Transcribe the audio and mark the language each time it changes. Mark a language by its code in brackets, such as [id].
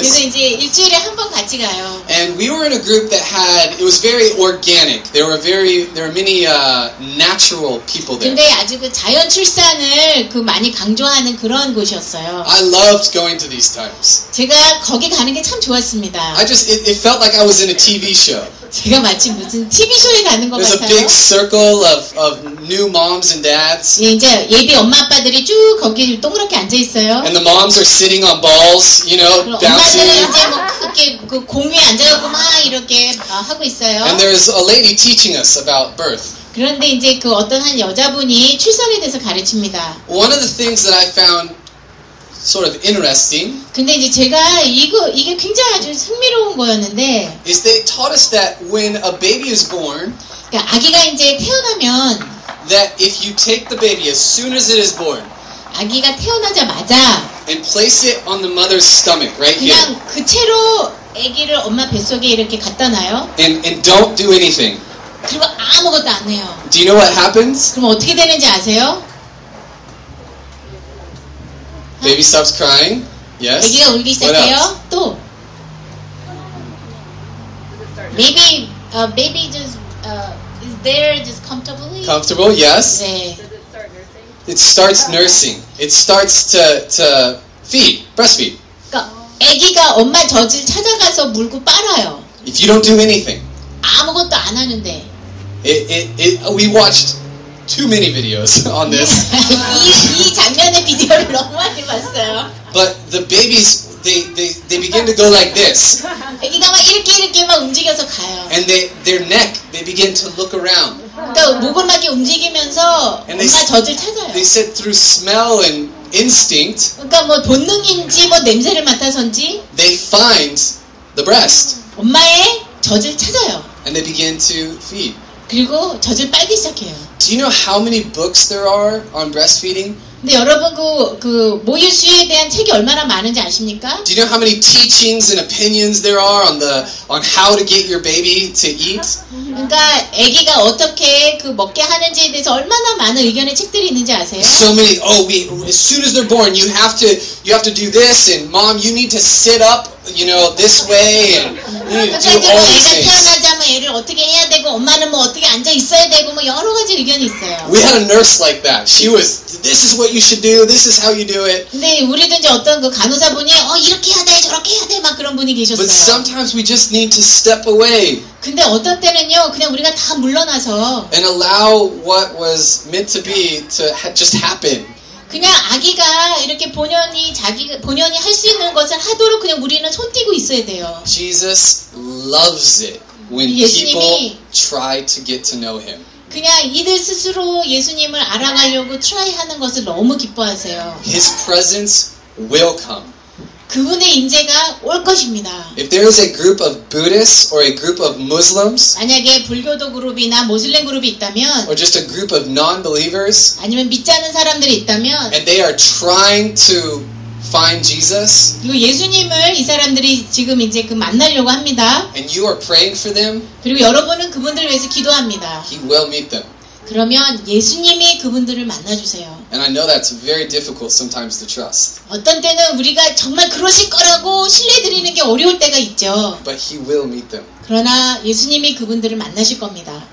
[ko] 그래서 이제 일주일에 한 번 같이 가요. [en] And we were in a group that had it was very organic. There were many natural people there. [ko] 근데 아주 그 자연 출산을 그 많이 강조하는 그런 곳이었어요. [en] I loved going to these times. [ko] 제가 거기 가는 게 참 좋았습니다. [en] It felt like I was in a TV show. [ko] 제가 마치 무슨 TV 쇼에 가는 것 [en] There's [ko] 같아요. [en] There's a big circle of new moms and dads. [ko] 예, 이제 예비 엄마 아빠들이 쭉 거기 동그랗게 앉아 있어요. [en] And the moms are sitting on balls, you know, bouncing. [ko] 엄마들 이제 뭐 크게 그 공 위에 앉아갖고 막 이렇게 하고 있어요. [en] And there's a lady teaching us about birth. [ko] 그런데 이제 그 어떤 한 여자분이 출산에 대해서 가르칩니다. [en] One of the things that I found sort of interesting. [ko] 근데 이제 제가 이게 굉장히 아주 흥미로운 거였는데. [en] Is they taught us that when a baby is born. [ko] 그러니까 아기가 이제 태어나면. [en] That if you take the baby as soon as it is born. [ko] 아기가 태어나자마자. [en] And place it on the mother's stomach, right [ko] 그냥 [en] here. [ko] 그냥 그 채로 아기를 엄마 뱃속에 이렇게 갖다 놔요. [en] And don't do anything. [ko] 그리고 아무것도 안 해요. [en] Do you know what happens? [ko] 그럼 어떻게 되는지 아세요? [en] Baby stops crying. Yes. [ko] 아기가 울기 시작해요. 또. [en] Maybe baby just is there just comfortably. Comfortable? Yes. [ko] 네. [en] It starts nursing. It starts to feed. Breastfeed. [ko] 그러니까 아기가 엄마 젖을 찾아가서 물고 빨아요. [en] If you don't do anything. [ko] 아무것도 안 하는데. [en] We watched too many videos on this. [ko] 이 장면의 비디오를 너무 많이 봤어요. [en] But the babies they begin to go like this. [ko] 아기가 막 이렇게 막 움직여서 가요. [en] And their neck they begin to look around. [ko] 그러니까 목을 막 이렇게 움직이면서 엄마 젖을 찾아요. [en] They said through smell and instinct. [ko] 그러니까 뭐 본능인지 뭐 냄새를 맡아서인지 [en] they find the breast. [ko] 엄마의 젖을 찾아요. [en] And they begin to feed. [ko] 그리고 젖을 빨기 시작해요. [en] Do you know how many books there are on breastfeeding? [ko] 근데 여러분 그 모유 수유에 대한 책이 얼마나 많은지 아십니까? [en] Do you know how many teachings and opinions there are on how to get your baby to eat? [ko] 그러니까 아기가 어떻게 그 먹게 하는지에 대해서 얼마나 많은 의견의 책들이 있는지 아세요? [en] So many. Oh, as soon as they're born, you have to do this, and mom, you need to sit up, you know, this way, and you need to do all these things. [ko] 애가 태어나자마자 애를 어떻게 해야 되고 엄마는 뭐 어떻게 앉아 있어야 되고 뭐 여러 가지 의견이 있어요. [en] We had a nurse like that. She was. This is what you should do. This is how you do it. [ko] 네, 우리도 이제 어떤 그 간호사분이 이렇게 해야 돼, 저렇게 해야 돼 막 그런 분이 계셨어요. [en] But sometimes we just need to step away. [ko] 근데 어떤 때는요, 그냥 우리가 다 물러나서 [en] and allow what was meant to be to just happen. [ko] 그냥 아기가 이렇게 본연이 할 수 있는 것을 하도록 그냥 우리는 손 떼고 있어야 돼요. [en] Jesus loves it when people try to get to know him. [ko] 그냥 이들 스스로 예수님을 알아가려고 try 하는 것을 너무 기뻐하세요. [en] His presence will come. [ko] 그분의 임재가 올 것입니다. [en] If there is a group of Buddhists or a group of Muslims, [ko] 만약에 불교도 그룹이나 모슬렘 그룹이 있다면, [en] or just a group of non-believers, [ko] 아니면 믿지 않은 사람들이 있다면, [en] and they are trying to find Jesus, [ko] 예수님을 이 사람들이 지금 이제 그 만나려고 합니다. [en] And you are praying for them, [ko] 그리고 여러분은 그분들을 위해서 기도합니다. [en] He will meet them. [ko] 그러면 예수님이 그분들을 만나주세요. [en] And I know that's very difficult sometimes to trust. [ko] 어떤 때는 우리가 정말 그러실 거라고 신뢰드리는 게 어려울 때가 있죠. [en] But he will meet them. [ko] 그러나 예수님이 그분들을 만나실 겁니다.